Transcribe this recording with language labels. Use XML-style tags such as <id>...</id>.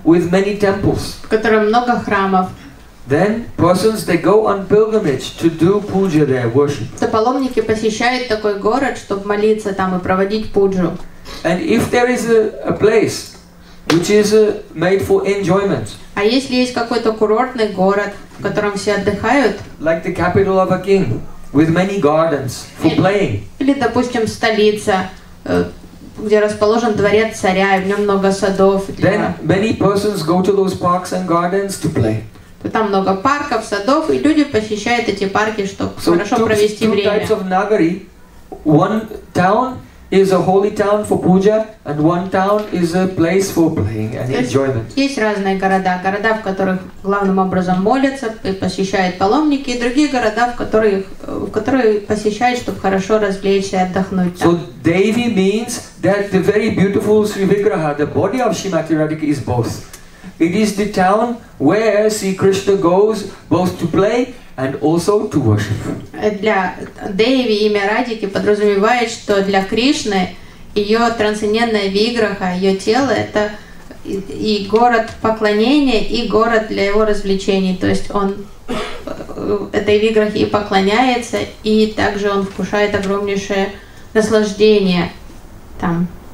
<en>With many temples.</en> <ru>В котором много храмов.</ru> <en>Then persons they go on pilgrimage to do puja there, worship.</en> <ru>То паломники посещают такой город, чтобы молиться там и проводить пуджу.</ru> <en>And if there is a place which is made for enjoyment.</en> <ru>А если есть какой-то курортный город, в котором все отдыхают?</ru> <en>Like the capital of a king with many gardens for playing.</en> <ru>Или допустим столица, где расположен дворец царя и в нем много садов.</ru> <en>Then many persons go to those parks and gardens to play.</en> <ru>Там много парков, садов, и люди посещают эти парки, чтобы хорошо провести время.</ru> <en>So two types of nagari. One town is a holy town for puja, and one town is a place for playing and enjoyment.</en> <ru>Есть разные города. Города, в которых главным образом молятся и посещают паломники, и другие города, в которые посещают, чтобы хорошо развлечься и отдохнуть там.</ru> <en>So Devi means that the very beautiful Sri Vigraha, the body of Srimati Radhika, is both. It is the town where Sri Krishna goes both to play and also to worship.</en> <ru>Для Деви имя Радики подразумевает, что для Кришны ее трансцендентная виграха, ее тело – это и город поклонения, и город для его развлечений. То есть он этой виграхе и поклоняется, и также он вкушает огромнейшее наслаждение там.</ru>